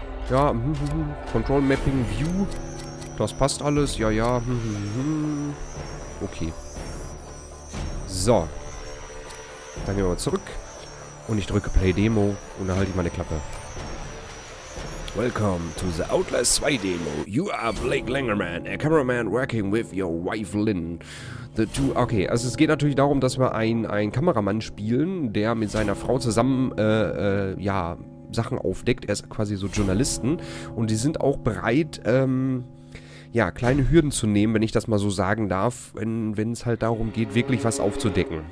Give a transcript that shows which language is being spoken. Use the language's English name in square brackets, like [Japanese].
[German] Ja, Control Mapping View, das passt alles, ja, okay. So, dann gehen wir mal zurück und ich drücke Play Demo und dann halte ich meine Klappe. [English] Welcome to the Outlast 2 Demo. You are Blake Langerman, a cameraman working with your wife Lynn. The two. [German] Okay, also es geht natürlich darum, dass wir einen Kameramann spielen, der mit seiner Frau zusammen ja, Sachen aufdeckt. Er ist quasi so Journalisten und die sind auch bereit, ja, kleine Hürden zu nehmen, wenn ich das mal so sagen darf, wenn es halt darum geht, wirklich was aufzudecken.